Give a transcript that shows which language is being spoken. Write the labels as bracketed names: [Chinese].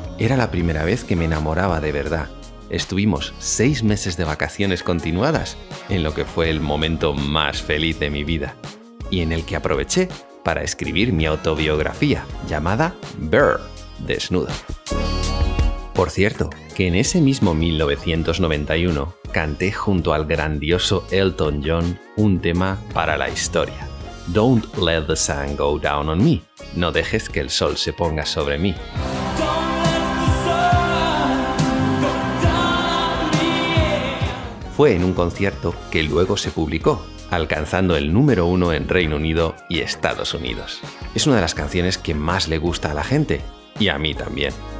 [Spanish] Era la primera vez que me enamoraba de verdad. Estuvimos 6 meses de vacaciones continuadas en lo que fue el momento más feliz de mi vida y en el que aproveché para escribir mi autobiografía llamada Bear, desnudo. Por cierto, que en ese mismo 1991 canté junto al grandioso Elton John un tema para la historia. [English] Don't let the sun go down on me. [Spanish] No dejes que el sol se ponga sobre mí. Fue en un concierto que luego se publicó, alcanzando el número uno en Reino Unido y Estados Unidos. Es una de las canciones que más le gusta a la gente, y a mí también.